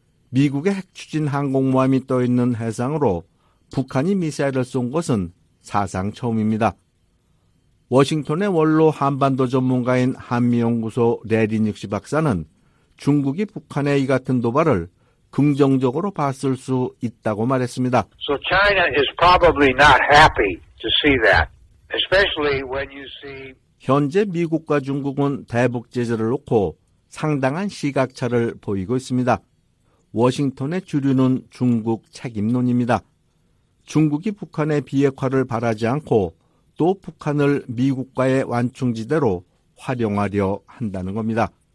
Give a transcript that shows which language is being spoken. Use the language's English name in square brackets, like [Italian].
[Korean] 미국의 핵추진 항공모함이 떠있는 해상으로 북한이 미사일을 쏜 것은 사상 처음입니다. 워싱턴의 원로 한반도 전문가인 한미연구소 레리닉시 박사는 중국이 북한의 이 같은 도발을 긍정적으로 봤을 수 있다고 말했습니다. [English] So China is probably not happy to see that, especially when you see [Korean] 현재 미국과 중국은 대북 제재를 놓고 상당한 시각차를 보이고 있습니다. 워싱턴의 주류는 중국 책임론입니다. 중국이 북한의 비핵화를 바라지 않고 또 북한을 미국과의 완충지대로 활용하려 한다는 겁니다.